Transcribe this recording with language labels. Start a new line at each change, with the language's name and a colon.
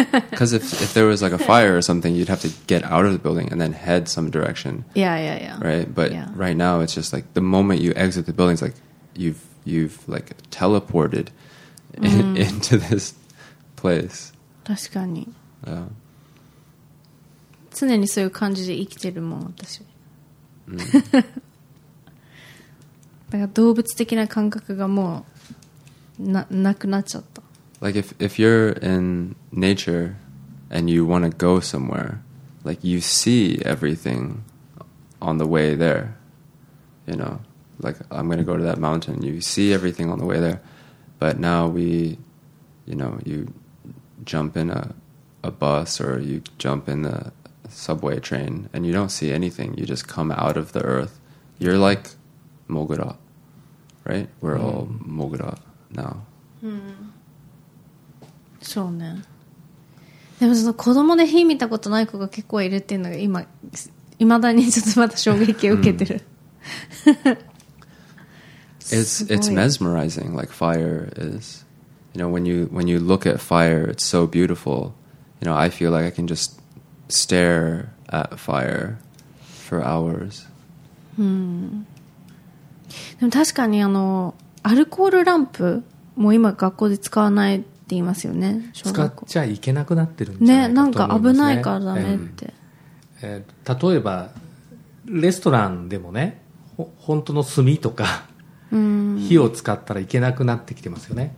English: Because if there was like a fire or something, you'd have to get out of the building and then head some direction. Yeah, yeah, yeah. Right? But right now, it's just like the moment you exit the building, it's like you've like teleported into this place.
Japanese: 確かに。
English: Yeah.
Japanese: 常にそういう感じで生きてるもん、私。だから動物的な感覚がもうなくなっちゃった。
English: Like if you're in nature and you want to go somewhere, like you see everything on the way there, you know, like I'm going to go to that mountain. You see everything on the way there. But now we, you know, you jump in a bus or you jump in the subway train and you don't see anything. You just come out of the earth. You're like Mogura, right? We're all Mogura now.
Japanese: そうね。でもその子供で火見たことない子が結構いるっていうのが今いまだにちょっとまた衝撃を受けてる。
English: It's mesmerizing, like fire is. You know, when you look at fire, it's so beautiful. You know, I feel like I can just stare at fire for hours.
Japanese: でも確かにあのアルコールランプも今学校で使わない。って言いますよね、使っちゃいけなくなってるんじゃないかと思いますね。なんか危ないからだねって、例えばレストランでもね、本当の炭とか火を使ったらいけなくなってきてますよね。